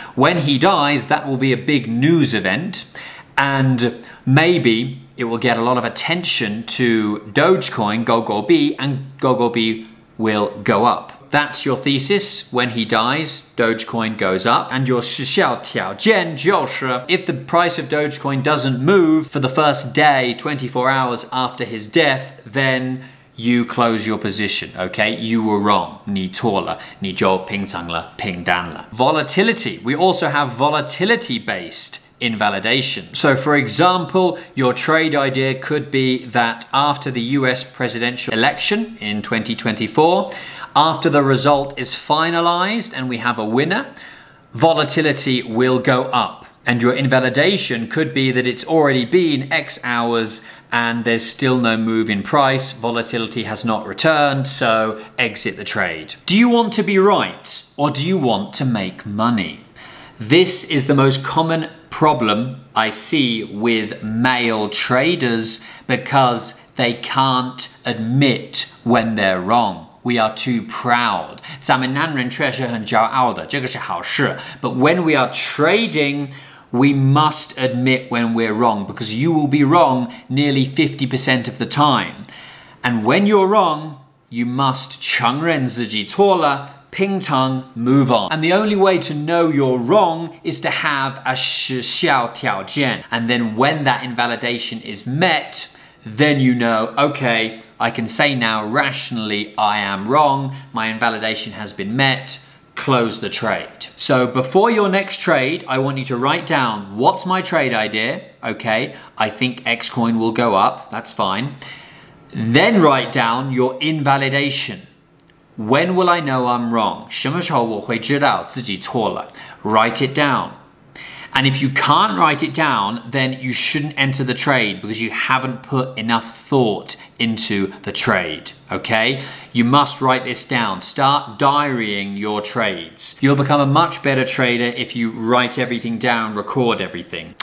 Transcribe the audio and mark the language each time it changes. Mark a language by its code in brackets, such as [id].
[en] When he dies, that will be a big news event, and maybe it will get a lot of attention to Dogecoin, GoGoBi, and GoGoBi will go up. That's your thesis. When he dies, Dogecoin goes up. And your [zh] 失效条件就是 [en] if the price of Dogecoin doesn't move for the first day, 24 hours after his death, then you close your position, okay? You were wrong. [zh] 你错了，你就平仓了，平单了。 [en] Volatility. We also have volatility-based invalidation. So for example, your trade idea could be that after the US presidential election in 2024, after the result is finalized and we have a winner, volatility will go up. And your invalidation could be that it's already been X hours and there's still no move in price, volatility has not returned, so exit the trade. Do you want to be right or do you want to make money? This is the most common problem I see with male traders because they can't admit when they're wrong. We are too proud. [zh] 咱们男人确实很骄傲的，这个是好事。 [en] But when we are trading, we must admit when we're wrong because you will be wrong nearly 50% of the time. And when you're wrong, you must [zh] 承认自己错了平仓 [en] move on. And the only way to know you're wrong is to have a 失效条件. And then when that invalidation is met, then you know, okay, I can say now rationally I am wrong, my invalidation has been met, close the trade. So before your next trade, I want you to write down, what's my trade idea? Okay, I think X coin will go up, that's fine. Then write down your invalidation. When will I know I'm wrong? [zh] 什么时候我会知道自己错了? [en] Write it down. And if you can't write it down, then you shouldn't enter the trade because you haven't put enough thought into the trade, okay? You must write this down. Start diarying your trades. You'll become a much better trader if you write everything down, record everything.